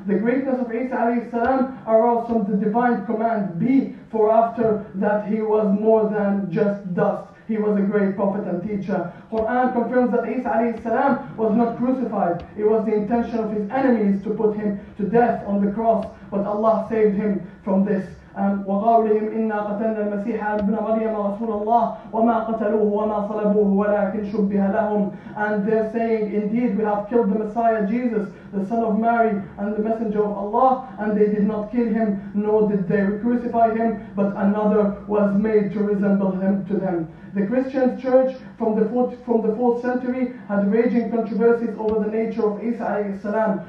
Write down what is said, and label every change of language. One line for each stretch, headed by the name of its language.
English: The greatness of Isa alayhi salam arose from the divine command, "Be," for after that he was more than just dust. He was a great prophet and teacher. Quran confirms that Isa alayhi salam was not crucified. It was the intention of his enemies to put him to death on the cross, but Allah saved him from this.
Arabic: وقالوا لهم إنا قتلنا المسيح ابن مريم رسول الله وما قتلوه وما صلبوه ولكن شبه لهم.
English: And they're saying, "Indeed, we have killed the Messiah Jesus, the son of Mary and the messenger of Allah, and they did not kill him, nor did they crucify him, but another was made to resemble him to them." The Christian church from the fourth century had raging controversies over the nature of Isa alayhi salam.